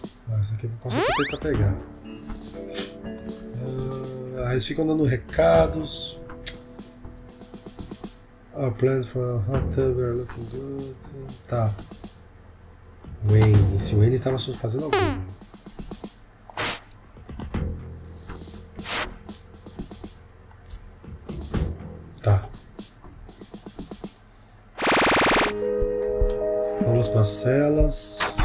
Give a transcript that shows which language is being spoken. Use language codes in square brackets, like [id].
[pt] Ah, isso aqui eu posso tentar pegar. Ah, eles ficam dando recados. [en] Our plans for a hot tub are looking good. [pt] Tá. Wayne, se o Wayne estava fazendo alguma. Tá. Vamos para as celas.